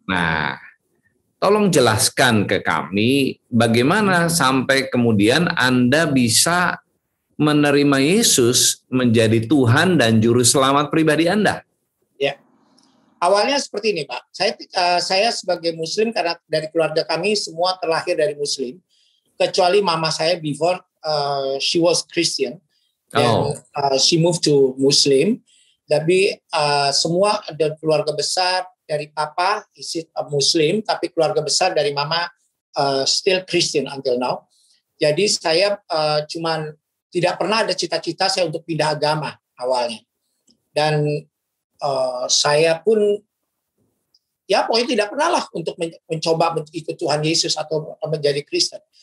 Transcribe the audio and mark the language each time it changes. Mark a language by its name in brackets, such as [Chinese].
[Indonesian] Nah, tolong jelaskan ke kami bagaimana sampai kemudian Anda bisa menerima Yesus menjadi Tuhan dan Juru Selamat pribadi Anda. Ya, awalnya seperti ini Pak. Saya sebagai Muslim karena dari keluarga kami semua terlahir dari Muslim. Kecuali mama saya [English] before she was Christian and she moved to Muslim. [Indonesian] Tapi semua dari keluarga besar dari papa [English] is it a Muslim, [Indonesian] tapi keluarga besar dari mama [English] still Christian until now. [Indonesian] Jadi saya cuman tidak pernah ada cita-cita saya untuk pindah agama awalnya. Dan saya pun ya pokoknya tidak pernah lah untuk mencoba ikut Tuhan Yesus atau menjadi Kristen.